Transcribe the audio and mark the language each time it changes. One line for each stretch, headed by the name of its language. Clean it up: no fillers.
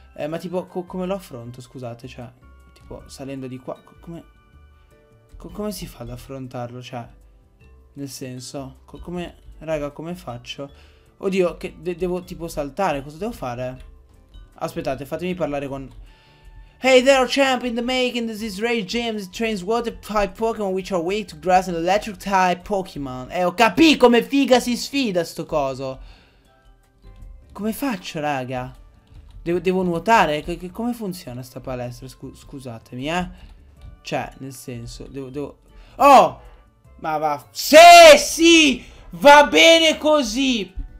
Italian: Ma tipo, come lo affronto, scusate, cioè, tipo, salendo di qua, come si fa ad affrontarlo, cioè, nel senso, come... Raga, come faccio? Oddio, che devo tipo saltare? Cosa devo fare? Aspettate, fatemi parlare con...
English: Hey there, champ in the making, this is Ray James, trains water type Pokémon which are weak to grass and electric type Pokémon.
Italian: Ho capito come figa si sfida sto coso. Come faccio, raga? Devo nuotare? Come funziona sta palestra? Scusatemi, eh. Cioè, nel senso, devo... Oh! Ma va... Sì, sì! Va bene così.